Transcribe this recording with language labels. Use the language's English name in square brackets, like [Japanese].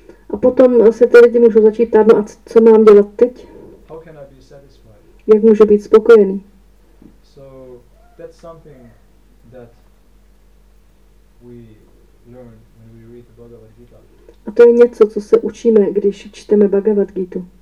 [Czech] A potom se ty lidi můžou začít ptát, no a co mám dělat teď? [English] How can I be satisfied? [Czech] Jak můžu být spokojený? [English] So that's something that we learn when we read the Bhagavad Gita. [Czech] A to je něco, co se učíme, když čteme Bhagavad Gita.